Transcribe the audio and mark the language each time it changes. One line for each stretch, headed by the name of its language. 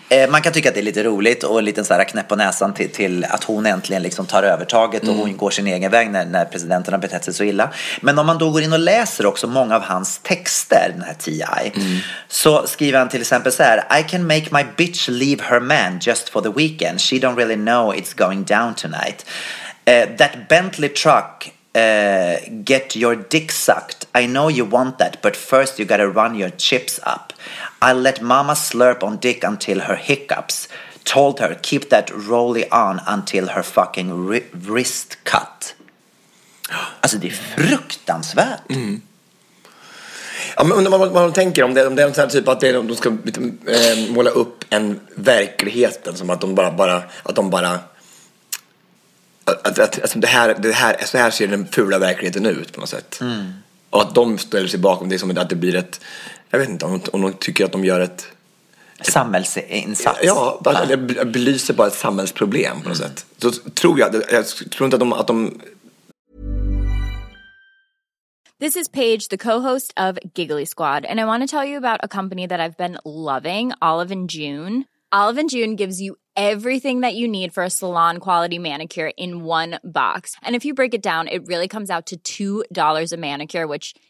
Swedish: Man kan tycka att det är lite roligt och en liten så här knäpp på näsan till att hon äntligen liksom tar övertaget och hon går sin egen väg när presidenten har betett sig så illa. Men om man då går in och läser också många av hans texter, den här T.I., så skriver han till exempel så här:
English: "I can make my bitch leave her man just for the weekend. She don't really know it's going down tonight. That Bentley truck... get your dick sucked. I know you want that, but first you gotta run your chips up. I'll let mama slurp on dick until her hiccups. told her, keep that rolly on until her fucking wrist cut.
Swedish: Alltså det är fruktansvärt. Mm. Ja, men undrar vad de tänker om det. Om det är en sån här typ att det är, de ska måla upp en verkligheten som att de bara att de bara... Att det här, så här ser den fula verkligheten ut på något sätt. Mm. Och att de ställer sig bakom det som att det blir ett... Jag vet inte om de tycker att de gör ett... samhällsinsats. Ja, det belyser bara ett samhällsproblem på något sätt. Så tror jag... Jag tror inte att de...
English: This is Paige, the co-host of Giggly Squad, and I want to tell you about a company that I've been loving, Olive & June. Olive & June gives you everything that you need for a salon-quality manicure in one box. And if you break it down, it really comes out to $2 a manicure, which...